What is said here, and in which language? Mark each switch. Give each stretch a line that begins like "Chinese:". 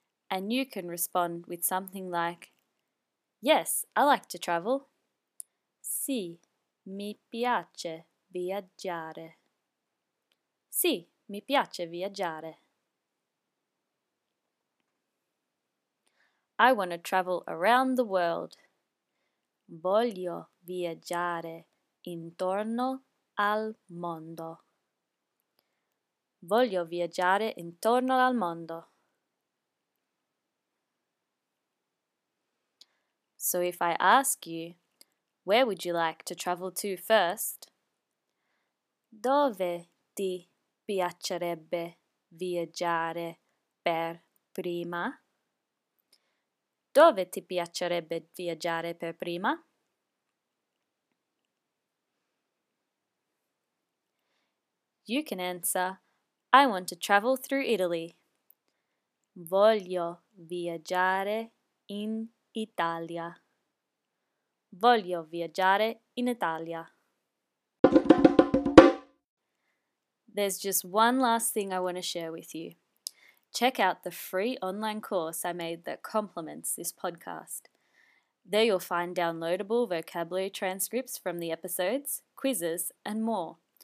English: And you can respond with something like, yes, I like to travel.
Italian: Sì, mi piace viaggiare. Sì, mi piace viaggiare.
English: I want to travel around the world.
Italian: Voglio viaggiare intorno al mondo. Voglio viaggiare intorno al mondo.
English: So if I ask you, where would you like to travel to first?
Italian: Dove ti piacerebbe viaggiare per prima? Dove ti piacerebbe viaggiare per prima?
English: You can answer, I want to travel through Italy.
Italian: Voglio viaggiare in Italia. Voglio viaggiare in Italia.
English: There's just one last thing I want to share with you. Check out the free online course I made that complements this podcast. There you'll find downloadable vocabulary transcripts from the episodes, quizzes, and more.